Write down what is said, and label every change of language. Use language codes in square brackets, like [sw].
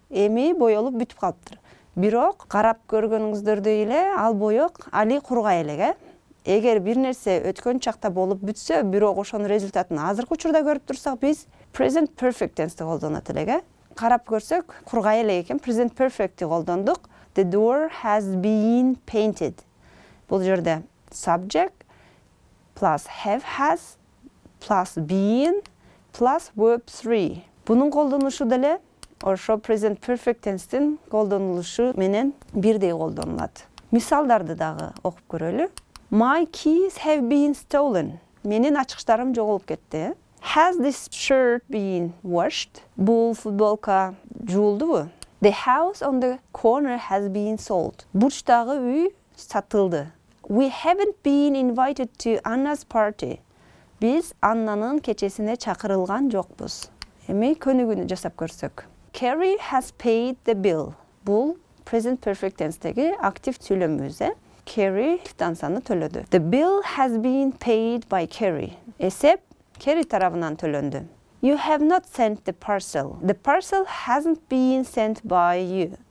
[ky] Эми боёлуп бүтүп калыптыр. Бирок карап көргөнүңүздөрдөй эле ал боёк али кургай элек, э? Эгер бир нерсе өткөн чакта болуп бүтсө, бирок ошонун результатын азыркы учурда көрүп турсак, биз present perfect tense-ти колдонот элек, э? Карап көрсөк, кургай элек экен, present perfect-ти колдондук. [en] The door has been painted. [ky] Бул жерде [en] subject plus have has plus been plus verb 3. [ky] Бунун колдонушу деле ошо present perfect tense-тин колдонулушу менен бирдей колдонулат. Мисалдарды дагы окуп көрөлү. [en] My keys have been stolen. [ky] Менин ачкычтарым жоголуп кетти. [en] Has this shirt been washed? [ky] Бул футболка жуулдубу? [en] The house on the corner has been sold. [ky] Бурчтагы үй сатылды. [en] We haven't been invited to Anna's party. [ky] Биз Аннанын кечесине чакырылган жокпуз. Эми көнүгүүнү жасап көрсөк. [en] Carrie has paid the bill. [ky] Бул present perfect tense-теги актив сүйлөмүбүз, э? Carrie фитансаны төлөдү. [en] The bill has been paid by Carrie. [ky] Эсеп Carrie тарабынан төлөндү. [en] You have not sent the parcel. The parcel hasn't been sent by you.